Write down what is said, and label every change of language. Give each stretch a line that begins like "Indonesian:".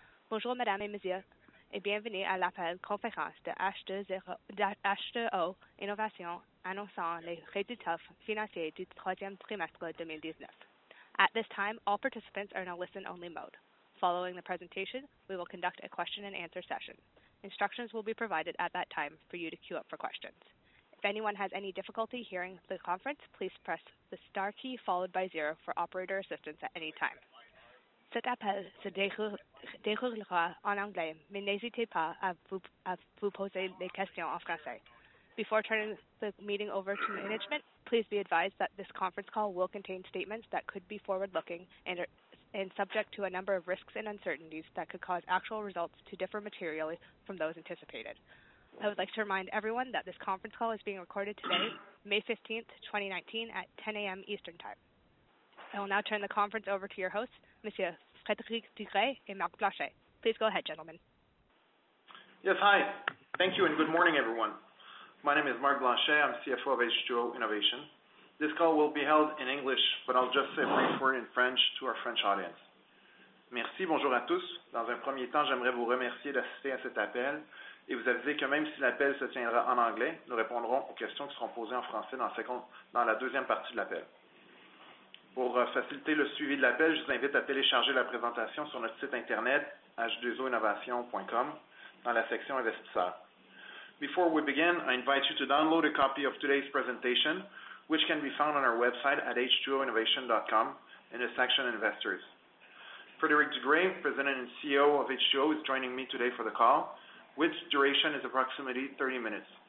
French: Bonjour, madame et monsieur, et bienvenue à l'appel conférence de H2O Innovation annonçant les résultats financiers du troisième trimestre 2019.
English: At this time, all participants are in a listen-only mode. Following the presentation, we will conduct a question-and-answer session. Instructions will be provided at that time for you to queue up for questions. If anyone has any difficulty hearing the conference, please press the star key followed by zero for operator assistance at any time.
French: Cet appel se déroulera en anglais, mais n'hésitez pas à vous poser des questions en français.
English: Before turning the meeting over to management, please be advised that this conference call will contain statements that could be forward-looking and subject to a number of risks and uncertainties that could cause actual results to differ materially from those anticipated. I would like to remind everyone that this conference call is being recorded today, May 15th, 2019, at 10 a.m. Eastern Time. I will now turn the conference over to your hosts, Monsieur Frédéric Dugray and Marc Blanchet. Please go ahead, gentlemen. Yes, hi. Thank you and good morning, everyone. My name is Marc Blanchet. I'm CFO of H2O Innovation. This call will be held in English, but I'll just say a brief word in French to our French audience.
French: Merci, bonjour à tous. Dans un premier temps, j'aimerais vous remercier d'assister à cet appel. Et vous avisez que même si l'appel se tiendra en anglais, nous répondrons aux questions qui seront posées en français dans la deuxième partie de l'appel. Pour faciliter le suivi de l'appel, je vous invite à télécharger la présentation sur notre site internet h2oinnovation.com dans la section investisseurs.
English: Before we begin, I invite you to download a copy of today's presentation, which can be found on our website at h2oinnovation.com in the section investors. Frédéric Dugray, President and CEO of H2O, is joining me today for the call, which duration is approximately 30 minutes.